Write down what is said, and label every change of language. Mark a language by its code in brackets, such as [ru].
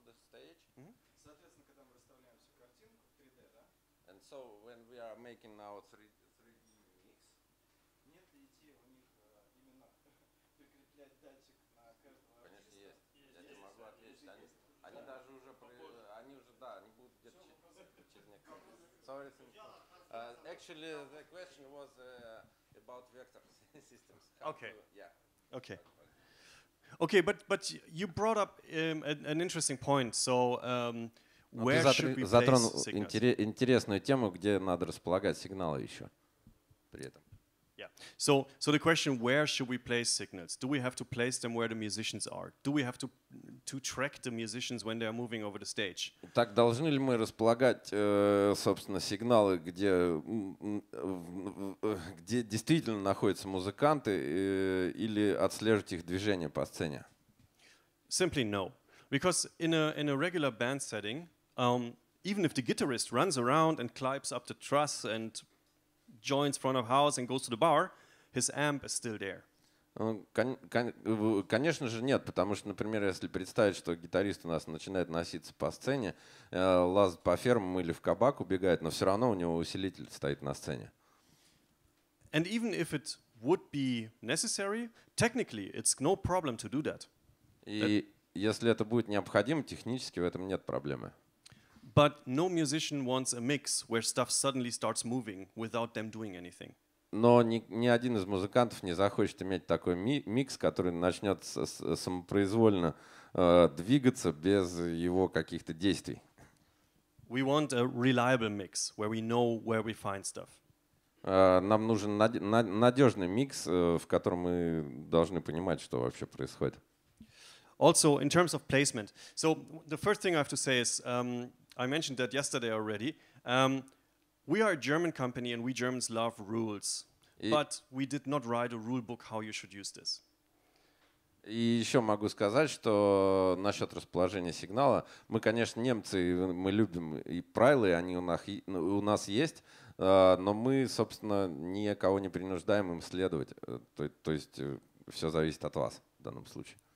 [en] So when we are making now 3D mix, [ru] Конечно, есть. Я тебе могу ответить. Они даже уже, они будут где-то через некоторое время. [en] Actually, the question was about vector systems. Okay. Okay. Okay, but you brought up an interesting point. So where should we place? [ru] Затронул интересную тему, где надо располагать сигналы еще при этом. [en] Yeah. So the question: where should we place signals? Do we have to place them where the musicians are? Do we have to track the musicians when they are moving over the stage? [ru] Так должны ли мы располагать, собственно, сигналы, где действительно находятся музыканты, или отслеживать их движение по сцене? [en] Simply no, because in a regular band setting, even if the guitarist runs around and climbs up the truss and joins front of house and goes to the bar, his amp is still there. [ru] Конечно же нет, потому что, например, если представить, что гитарист у нас начинает носиться по сцене, лазит по фермам или в кабак убегает, но все равно у него усилитель стоит на сцене. [en] And even if it would be necessary, technically it's no problem to do that. [ru] И если это будет необходимо, технически в этом нет проблемы. [en] But no musician wants a mix where stuff suddenly starts moving without them doing anything. [ru] Но ни один из музыкантов не захочет иметь такой микс, который начнет самопроизвольно двигаться без его каких-то действий. [en] We want a reliable mix where we know where we find stuff. [ru] Нам нужен надежный микс, в котором мы должны понимать, что вообще происходит. [en] Also, in terms of placement. So the first thing I have to say is, I mentioned that yesterday already. We are a German company and we Germans love rules. But we did not write a rule book how you should use this. [ru] И еще могу сказать, что насчет расположения сигнала, мы, конечно, немцы, мы любим и правила, они у нас есть, но мы, собственно, никого не принуждаем им следовать. То есть все зависит от вас в данном случае.